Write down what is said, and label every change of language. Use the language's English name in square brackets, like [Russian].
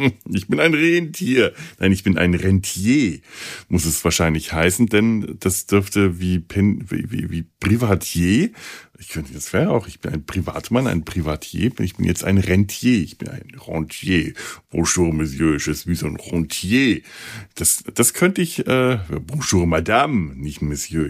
[German] Ich bin ein Rentier. Nein, ich bin ein Rentier, muss es wahrscheinlich heißen, denn das dürfte wie Privatier. Ich bin ein Privatmann, ein Privatier. Ich bin jetzt ein Rentier. Ich bin ein Rentier. [French] Bonjour, monsieur, je suis un Rentier. [German] Das könnte ich, [French] bonjour, madame, [German] nicht monsieur.